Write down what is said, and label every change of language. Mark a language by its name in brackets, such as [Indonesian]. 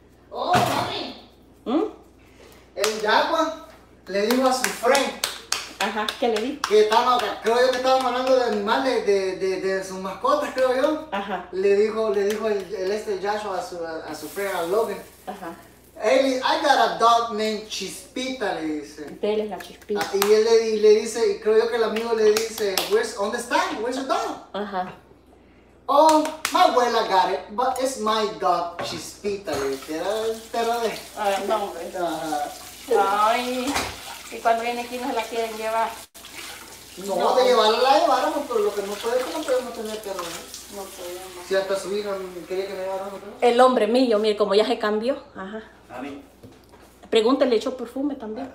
[Spanish] Oh, mami. El Yagua le dijo a su friend. Ajá, ¿qué le di? Que estaba, creo yo que estaba hablando de animales, de sus mascotas, creo yo. Ajá. Le dijo el Joshua a su friend, a Logan. Ajá. [English] Hey, I got a dog named Chispita, [Spanish] le dice. Él es la Chispita. Ah, y él le dice, y creo yo que el amigo le dice, ¿dónde está? [English] ¿Where's your dog? [Spanish] Ajá. [English] Oh, my abuela got it, but it's my dog, Chispita, [Spanish] le dice. Era de... A ver, no, hombre. Ajá. Ay... Y cuando viene aquí no se la quieren llevar. No, no. De llevarla la lleváramos, pero lo que no puede es que no podemos tener perro, ¿eh? No podemos. Si hasta su hija quería que le llevara otro. El hombre mío, mire, como ya se cambió. Ajá. Ani. Pregúntale, echó perfume también.